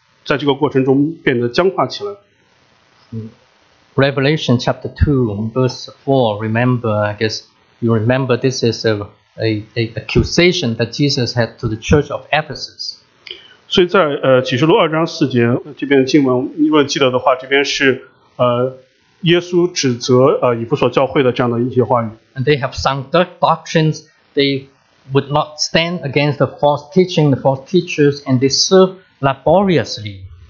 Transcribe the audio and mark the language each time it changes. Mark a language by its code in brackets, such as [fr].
[zh] 当我们在就是把这些东西结构化的时候呢，我们需要注意，就是说不要去错误的在这个过程中变得僵化起来。 [en] Revelation chapter 2 verse 4, remember, I guess you remember this is a accusation that Jesus had to the church of Ephesus. [zh] 所以在启示录二章四节这边经文，如果记得的话，这边是耶稣指责以弗所教会的这样的一些话语。 [en] And they have sound doctrines, they would not stand against the false teaching, the false teachers, and they serve laboriously.